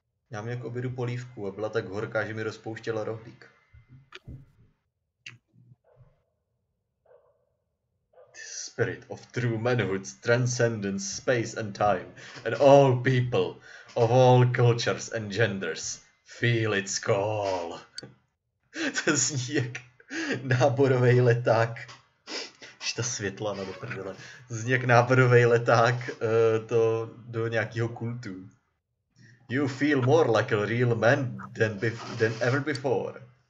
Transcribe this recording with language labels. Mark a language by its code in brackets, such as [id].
[cs] Já mám jak obědu polívku a byla tak horká, že mi rozpouštěla rohlík. [en] The spirit of true manhood transcends space and time, and all people of all cultures and genders feel its call. [cs] To zní jak náborovej leták. Ta světla na doprdele. Zní jak náborovej leták to do nějakého kultu. [en] You feel more like a real man than ever before.